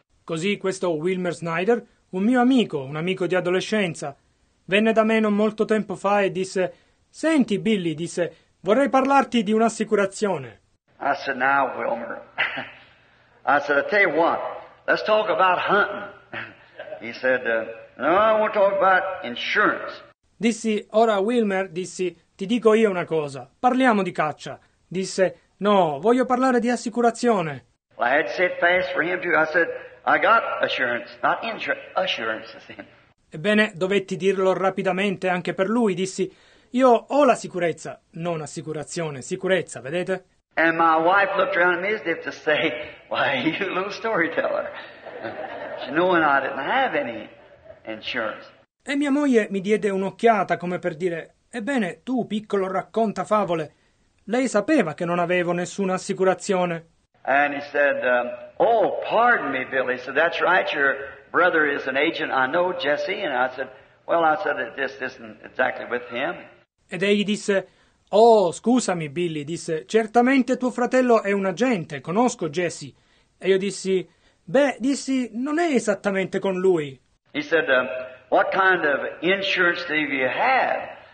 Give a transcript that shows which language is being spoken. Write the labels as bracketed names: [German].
[Italian] Così questo Wilmer Snyder, un mio amico, un amico di adolescenza, venne da me non molto tempo fa e disse: «Senti, Billy», disse, «vorrei parlarti di un'assicurazione». [English] I said, "Now, Wilmer, I said, I'll tell you what, let's talk about hunting." He said, "No, I won't talk about insurance." [Italian] Dissi, "Ora, Wilmer, dissi, ti dico io una cosa, parliamo di caccia." Disse, "No, voglio parlare di assicurazione." [English] Well, I had said fast for him too. I said, "I got assurance, not insurance, assurance." [Italian] Ebbene, dovetti dirlo rapidamente anche per lui. Dissi, "Io ho la sicurezza, non assicurazione, sicurezza, vedete?" [English] And my wife looked around at me as if to say, "Why, you little storyteller." She knew I didn't have any insurance. [Italian] E mia moglie mi diede un'occhiata come per dire, "Ebbene, tu, piccolo racconta favole, lei sapeva che non avevo nessuna assicurazione." [English] And he said, "Oh, pardon me, Billy. So that's right, your brother is an agent. I know Jesse." And I said, "Well, I said, it just isn't exactly with him." [Italian] Ed egli disse, "Oh, scusami, Billy," disse, "certamente tuo fratello è un agente, conosco Jesse." E io dissi, "Beh," dissi, "non è esattamente con lui." [English] He said, "What kind of insurance do you have?"